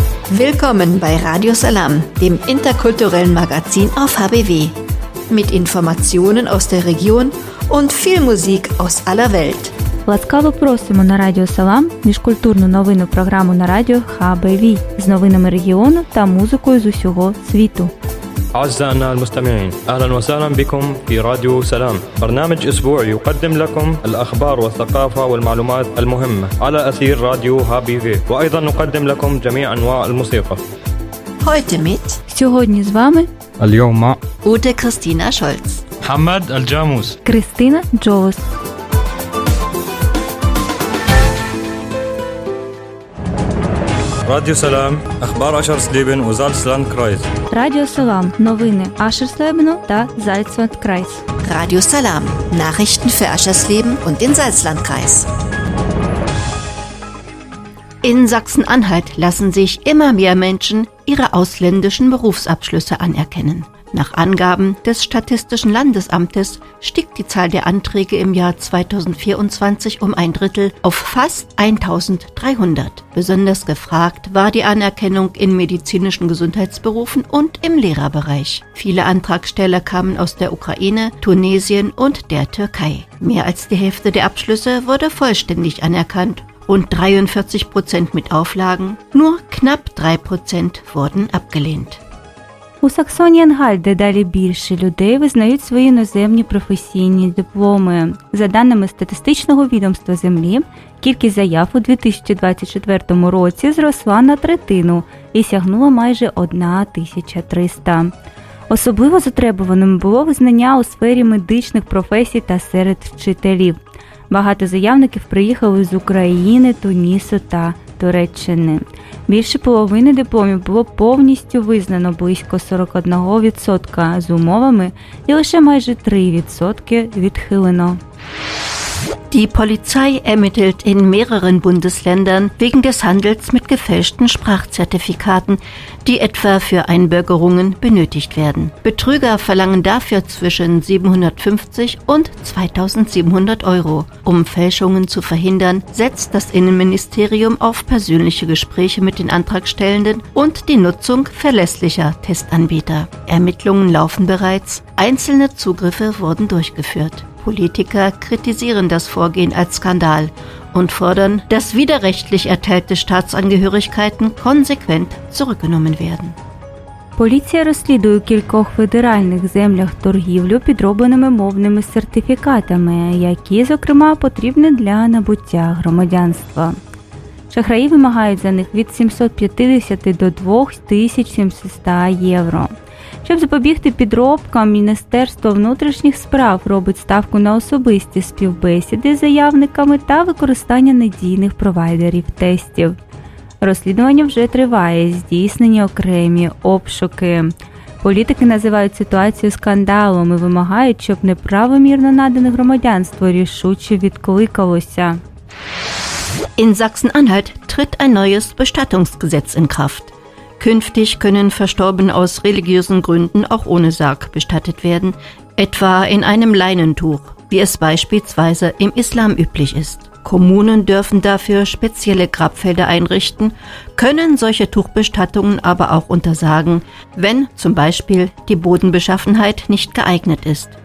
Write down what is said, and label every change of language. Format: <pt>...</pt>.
<de>Willkommen bei Radio Salam, dem interkulturellen Magazin auf HBW. Mit Informationen aus der Region und viel Musik aus aller Welt.</de> <uk>Ласкаво просимо на Радіо Салам міжкультурну новинну програму на радіо HBV з новинами регіону та музикою з усього світу.</uk> <ar>أعزائنا المستمعين أهلا وسهلا بكم في راديو سلام برنامج أسبوعي يقدم لكم الأخبار والثقافة والمعلومات المهمة على أثير راديو هابي في وأيضا نقدم لكم جميع أنواع الموسيقى</ar> <uk>сьогодні з вами</uk> <ar>اليوم مع أوتا كريستينا شولتز محمد الجاموس كريستينا جولز</ar> <uk>Радіо Салам, Ахбар Ашерслібен у Зальцландкрайс. Радіо Салам, новини Ашерслібену та Зальцландкрайс.</uk> <de>Радіо Салам, Nachrichten für Ашерслібен und den Salzlandkreis. In Sachsen-Anhalt lassen sich immer mehr Menschen ihre ausländischen Berufsabschlüsse anerkennen. Nach Angaben des Statistischen Landesamtes stieg die Zahl der Anträge im Jahr 2024 um ein Drittel auf fast 1.300. Besonders gefragt war die Anerkennung in medizinischen Gesundheitsberufen und im Lehrerbereich. Viele Antragsteller kamen aus der Ukraine, Tunesien und der Türkei. Mehr als die Hälfte der Abschlüsse wurde vollständig anerkannt und 43% mit Auflagen, nur knapp 3% wurden abgelehnt.</de> <uk>У Саксонії-Анхальт дедалі більше людей визнають свої іноземні професійні дипломи. За даними статистичного відомства землі, кількість заяв у 2024 році зросла на третину і сягнула майже 1300. Особливо затребуваним було визнання у сфері медичних професій та серед вчителів. Багато заявників приїхали з України, Тунісу та Туреччини. Більше половини дипломів було повністю визнано, близько 41% з умовами, і лише майже 3% відхилено.</uk> <de>Die Polizei ermittelt in mehreren Bundesländern wegen des Handels mit gefälschten Sprachzertifikaten, die etwa für Einbürgerungen benötigt werden. Betrüger verlangen dafür zwischen 750 und 2700 Euro. Um Fälschungen zu verhindern, setzt das Innenministerium auf persönliche Gespräche mit den Antragstellenden und die Nutzung verlässlicher Testanbieter. Ermittlungen laufen bereits, einzelne Zugriffe wurden durchgeführt. Politiker kritisieren das Vorgehen als Skandal und fordern, dass widerrechtlich erteilte Staatsangehörigkeiten konsequent zurückgenommen werden.</de> <uk>Поліція розслідує у кількох федеральних землях торгівлю підробленими мовними сертифікатами, які, зокрема, потрібні для набуття громадянства. Шахраї вимагають за них від 750 до 2700 євро. Щоб запобігти підробкам, Міністерство внутрішніх справ робить ставку на особисті співбесіди з заявниками та використання надійних провайдерів тестів. Розслідування вже триває, здійснені окремі обшуки. Політики називають ситуацію скандалом і вимагають, щоб неправомірно надане громадянство рішуче відкликалося.</uk> <de>In Sachsen-Anhalt tritt ein neues Bestattungsgesetz in Kraft. Künftig können Verstorbene aus religiösen Gründen auch ohne Sarg bestattet werden, etwa in einem Leinentuch, wie es beispielsweise im Islam üblich ist. Kommunen dürfen dafür spezielle Grabfelder einrichten, können solche Tuchbestattungen aber auch untersagen, wenn zum Beispiel die Bodenbeschaffenheit nicht geeignet ist.</de>